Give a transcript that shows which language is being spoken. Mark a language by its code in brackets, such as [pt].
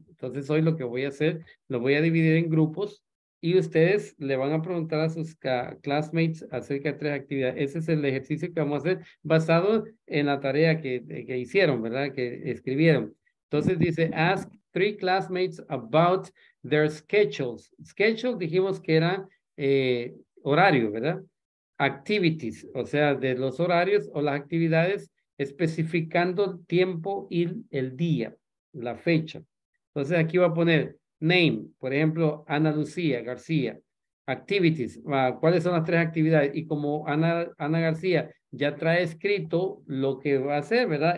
[es] Entonces hoy lo que voy a hacer, lo voy a dividir en grupos y ustedes le van a preguntar a sus classmates acerca de tres actividades. Ese es el ejercicio que vamos a hacer basado en la tarea que hicieron, ¿verdad? Que escribieron. Entonces dice, [en] ask three classmates about their schedules. [es] Schedule dijimos que era horario, ¿verdad? Activities, o sea, de los horarios o las actividades, especificando el tiempo y el día, la fecha. Entonces aquí va a poner name, por ejemplo, Ana Lucía García. Activities, ¿cuáles son las tres actividades? Y como Ana García ya trae escrito lo que va a hacer, ¿verdad?